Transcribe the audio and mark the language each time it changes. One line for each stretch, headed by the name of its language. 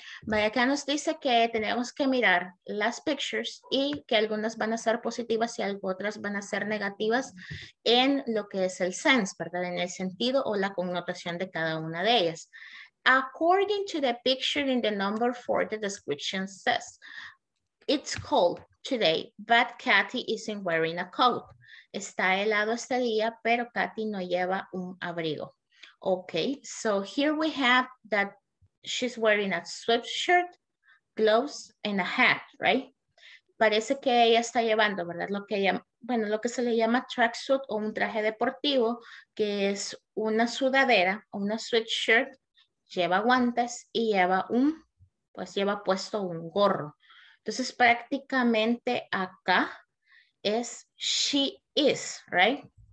Spanish: Vaya, acá nos dice que tenemos que mirar las pictures y que algunas van a ser positivas y otras van a ser negativas en lo que es el sense, ¿verdad? En el sentido o la connotación de cada una de ellas.
English: According to the picture in the number four, the description says, it's cold today, but Kathy isn't wearing a coat.
Spanish: Está helado este día, pero Kathy no lleva un abrigo.
English: Okay, so here we have that she's wearing a sweatshirt, gloves, and a hat, right?
Spanish: Parece que ella está llevando, ¿verdad? Lo que ella, bueno, lo que se le llama tracksuit o un traje deportivo, que es una sudadera o una sweatshirt, lleva guantes y lleva un, pues lleva puesto un gorro. Entonces, prácticamente acá es
English: she is, right?